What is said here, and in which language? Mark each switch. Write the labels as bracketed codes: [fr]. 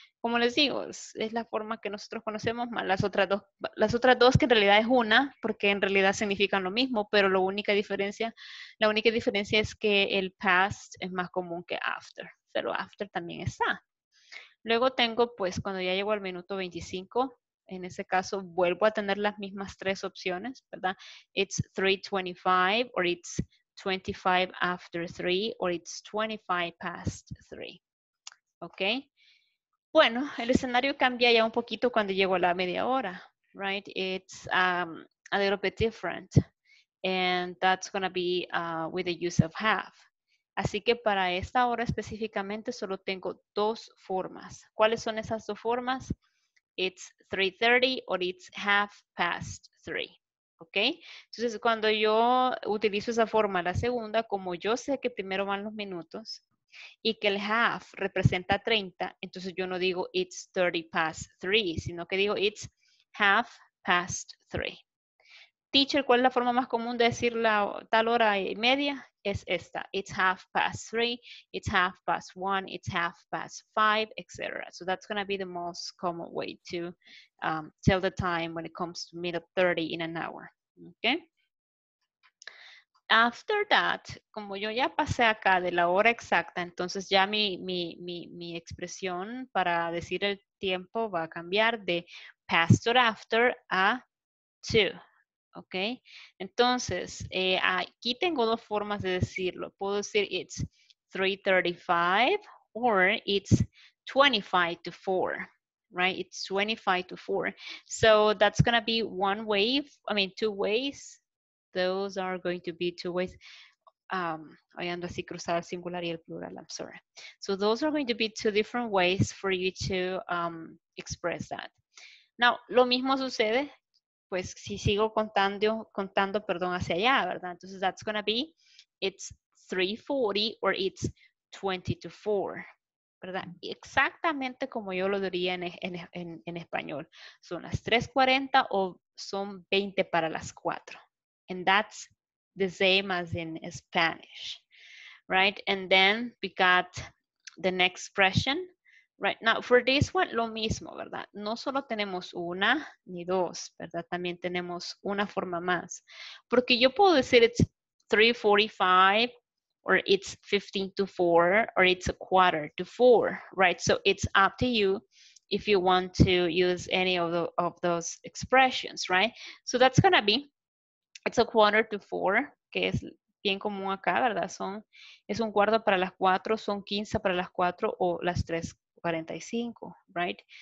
[es] Como les digo, es la forma que nosotros conocemos más las otras dos que en realidad es una, porque en realidad significan lo mismo, pero la única diferencia es que el past es más común que after, pero after también está. Luego tengo, pues, cuando ya llego al minuto 25, en ese caso vuelvo a tener las mismas tres opciones, ¿verdad? [en] It's 3:25, or it's 25 after 3, or it's 25 past 3, ¿ok? [es] Bueno, el escenario cambia ya un poquito cuando llego a la media hora, right? [en] It's a little bit different, and that's going to be with the use of have. [es] Así que para esta hora específicamente solo tengo dos formas. ¿Cuáles son esas dos formas? [en] It's 3:30 or it's half past 3, ¿ok? [es] Entonces, cuando yo utilizo esa forma, la segunda, como yo sé que primero van los minutos, y que el half representa 30, entonces yo no digo [en] it's 30 past 3, [es] sino que digo [en] it's half past 3. [es] Teacher, ¿cuál es la forma más común de decir la tal hora y media? Es esta, [en] it's half past 3, it's half past 1, it's half past 5, etc. So that's going to be the most common way to tell the time when it comes to middle 30 in an hour. Okay? After that, [es] como yo ya pasé acá de la hora exacta, entonces ya mi expresión para decir el tiempo va a cambiar de past or after a to, ¿ok? Entonces, aquí tengo dos formas de decirlo. Puedo decir [en] it's 3:35 or it's 25 to 4. Right, it's 25 to 4. So that's going to be two ways. Those are going to be two ways. I [es] ando así cruzado el singular y el plural, [en] I'm sorry. So those are going to be two different ways for you to express that. [es] Now, lo mismo sucede, pues si sigo contando, hacia allá, ¿verdad? [en] Entonces that's going to be, it's 3:40 or it's 20 to 4, ¿verdad? [es] Exactamente como yo lo diría en español. Son las 3:40 o son 20 para las 4. [en] And that's the same as in Spanish, right? And then we got the next expression, right? Now, for this one, [es] lo mismo, ¿verdad? No solo tenemos una ni dos, ¿verdad? También tenemos una forma más. Porque yo puedo decir [en] it's 3:45, or it's 15 to 4, or it's a quarter to 4, right? So it's up to you if you want to use any of those expressions, right? So that's going to be, it's a quarter to 4, [es] que es bien común acá, ¿verdad? Es un cuarto para las 4, son 15 para las 4 o las 3:45, right?